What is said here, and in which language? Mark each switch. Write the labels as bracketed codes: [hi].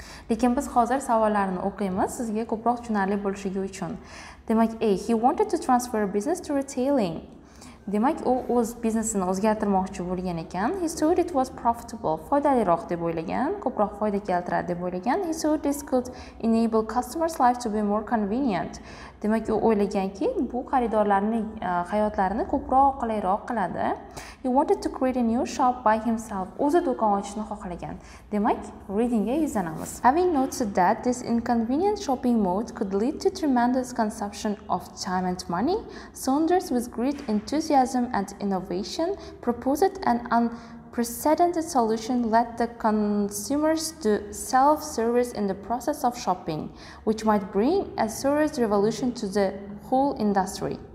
[uz] Lekin biz hozir savollarni o'qiymiz sizga ko'proq tushunarli bo'lishigi uchun. Demak, A, [en] he wanted to transfer business to retailing. [uz] Demak, u o'z biznesini o'zgartirmoqchi bo'lgan ekan. [en] He thought it was profitable, [uz] foydaliroq deb o'ylagan, ko'proq foyda keltiradi deb o'ylagan. [en] He thought this could enable customers' life to be more convenient. [uz] Demak, u o'ylaganki, bu xaridorlarning hayotlarini ko'proq qulayroq qiladi. [en] He wanted to create a new shop by himself. [uz] O'zi do'kon ochishni xohlagan. Demak, readingga yuzlanamiz. [en] Having noted that this inconvenient shopping mode could lead to tremendous consumption of time and money, Saunders with great enthusiasm and innovation proposed an unprecedented solution let the consumers do self-service in the process of shopping, which might bring a serious revolution to the whole industry.